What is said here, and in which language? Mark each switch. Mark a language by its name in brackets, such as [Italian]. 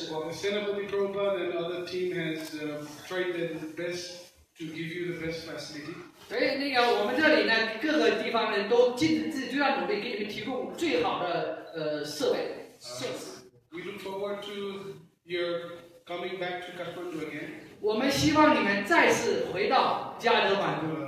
[English] Senapati Prabhupada and other team has tried their best to give you the best facility. [Chinese] 所以那个我们这里呢，各个地方呢都尽自己最大努力给你们提供最好的设备设施。 [English] We look forward to your coming back to Kathmandu again. [Chinese] 我们希望你们再次回到加德满都。